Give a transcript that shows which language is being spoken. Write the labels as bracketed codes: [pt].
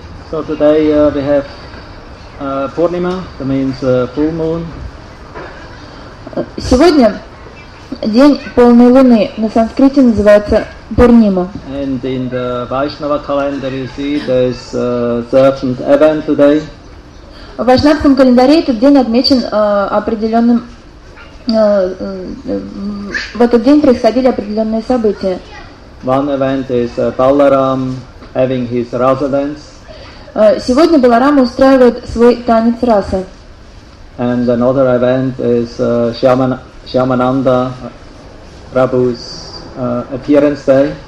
[en] So today we have Purnima, that means full moon. [ru] Сегодня день полной луны, на санскрите называется Пурнима. [en] And in the Vaishnava calendar you see there is a certain event today. [ru] В вайшнавском календаре этот день отмечен определенным. В этот день происходили определенные события. [en] One event is Balaram having his rasa dance. [ru] Сегодня Баларама устраивает свой танец расы. [en] And another event is Shyamananda Prabhu's appearance day.